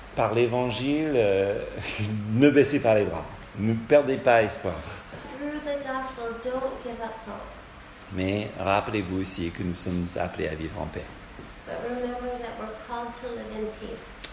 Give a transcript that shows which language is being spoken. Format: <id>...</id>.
<fr>par l'évangile, ne baissez pas les bras, ne perdez pas espoir.</fr> <en>Through the gospel, don't give up hope.</en> <fr>Mais rappelez-vous aussi que nous sommes appelés à vivre en paix.</fr> <en>But remember that we're called to live in peace.</en>